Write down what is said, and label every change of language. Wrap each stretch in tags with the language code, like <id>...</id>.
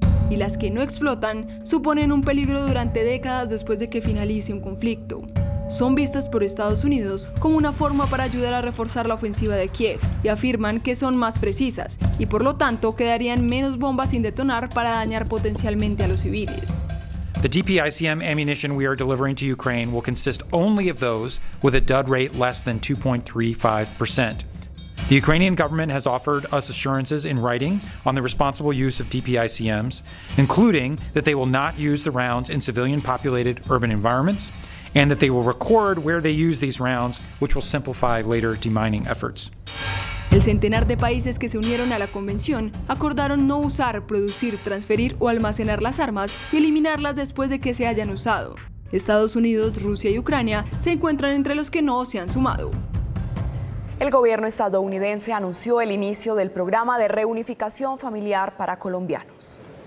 <es>Y las que no explotan suponen un peligro durante décadas después de que finalice un conflicto. Son vistas por Estados Unidos como una forma para ayudar a reforzar la ofensiva de Kiev y afirman que son más precisas y por lo tanto quedarían menos bombas sin detonar para dañar potencialmente a los civiles.</es> <en>The DPICM ammunition we are delivering to Ukraine will consist only of those with a dud rate less than 2.35%. The Ukrainian government has offered us assurances in writing on the responsible use of DPICMs, including that they will not use the rounds in civilian populated urban environments. And that they will record where they use these rounds, which will simplify later demining efforts.</en> <es>El centenar de países que se unieron a la convención acordaron no usar, producir, transferir o almacenar las armas y eliminarlas después de que se hayan usado. Estados Unidos, Rusia y Ucrania se encuentran entre los que no se han sumado. El gobierno estadounidense anunció el inicio del programa de reunificación familiar para colombianos.</es>